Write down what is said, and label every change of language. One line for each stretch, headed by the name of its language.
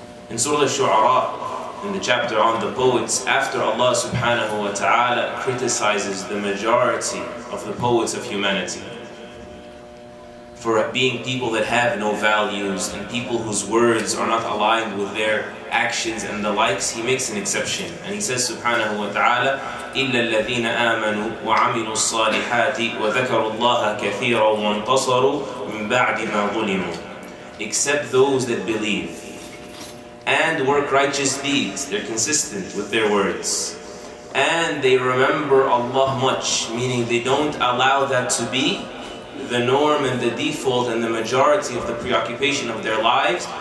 English: In Surah Al-Shu'ara, in the chapter on the poets, after Allah subhanahu wa ta'ala criticizes the majority of the poets of humanity for being people that have no values and people whose words are not aligned with their actions and the likes, he makes an exception. And he says
Arabic: subhanahu wa ta'ala, إِلَّا الَّذِينَ آمَنُوا وَعَمِلُوا الصَّالِحَاتِ وَذَكَرُوا اللَّهَ كَثِيرًا وَانْتَصَرُوا مِنْ بَعْدِ مَا ظُلِمُوا.
English: Except those that believe and work righteous deeds, they're consistent with their words, and they remember Allah much, meaning they don't allow that to be the norm and the default and the majority of the preoccupation of their lives.